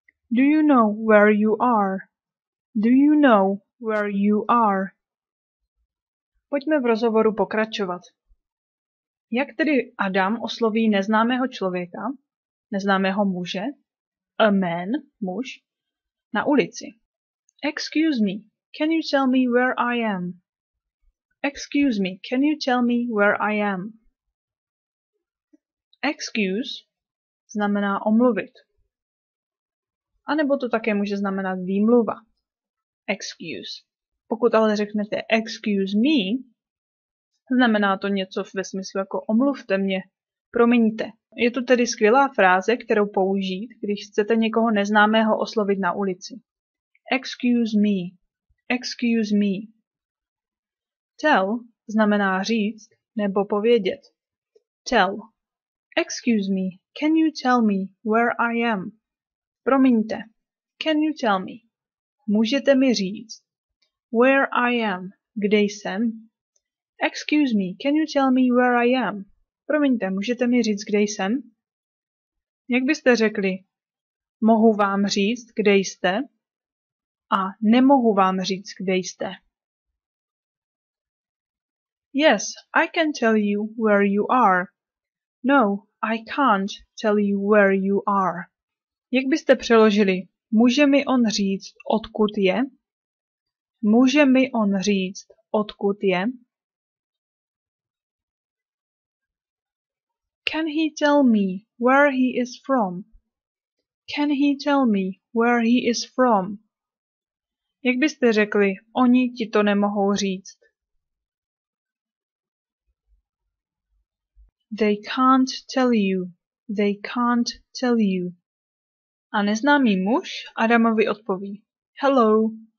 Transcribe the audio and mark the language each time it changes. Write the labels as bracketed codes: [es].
[en] Do you know where you are? Do you know where you are? [cs] Pojďme v rozhovoru pokračovat. Jak tedy Adam osloví neznámého člověka, neznámého muže, [en] a man, [cs] muž, na ulici? [en] Excuse me, can you tell me where I am? Excuse me, can you tell me where I am? [cs] Excuse znamená omluvit. A nebo to také může znamenat výmluva. Excuse. Pokud ale řeknete [en] excuse me, [cs] znamená to něco ve smyslu jako omluvte mě, promiňte. Je to tedy skvělá fráze, kterou použít, když chcete někoho neznámého oslovit na ulici. [en] Excuse me. Excuse me. [cs] Tell znamená říct nebo povědět. [en] Tell. Excuse me, can you tell me where I am? [cs] Promiňte. [en] Can you tell me? [cs] Můžete mi říct. [en] Where I am? [cs] Kde jsem? [en] Excuse me, can you tell me where I am? [cs] Promiňte, můžete mi říct, kde jsem? Jak byste řekli? Mohu vám říct, kde jste? A nemohu vám říct, kde jste? [en] Yes, I can tell you where you are. No, I can't tell you where you are. [cs] Jak byste přeložili, může mi on říct, odkud je? Může mi on říct, odkud je? [en] Can he tell me where he is from? Can he tell me where he is from? [cs] Jak byste řekli, oni ti to nemohou říct? [en] They can't tell you. They can't tell you. [cs] A neznámý muž Adamovi odpoví. [en] Hello.